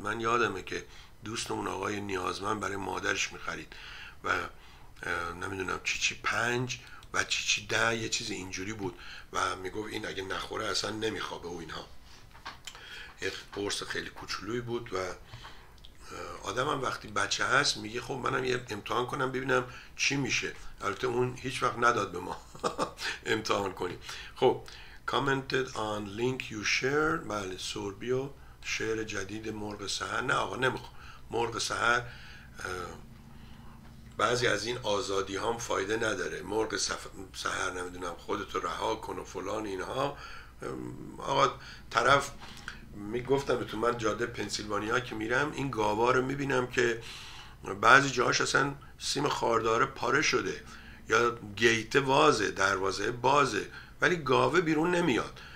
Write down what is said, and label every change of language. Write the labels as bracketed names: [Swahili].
[Persian] من یادمه که دوستمون آقای نیازمند برای مادرش میخرید و نمیدونم چیچی پنج و چیچی ده، یه چیز اینجوری بود و میگفت این اگه نخوره اصلا نمیخوابه و اینها. یه قرص خیلی کوچولویی بود و آدم هم وقتی بچه هست میگه خب منم یه امتحان کنم ببینم چی میشه. البته اون هیچ وقت نداد به ما امتحان کنیم. خب [English] commented on link you shared. [Persian] بله سوربیو شعر جدید مرغ سحر. نه آقا نمیخوام مرغ سحر، بعضی از این آزادی هام فایده نداره. مرغ سحر نمیدونم خودتو رها کن و فلان اینها. آقا طرف میگفتم به تو، من جاده پنسیلوانیا که میرم این گاوا رو میبینم که بعضی جاهاش اصلا سیم خارداره پاره شده یا گیته وازه، دروازه بازه، ولی گاوه بیرون نمیاد.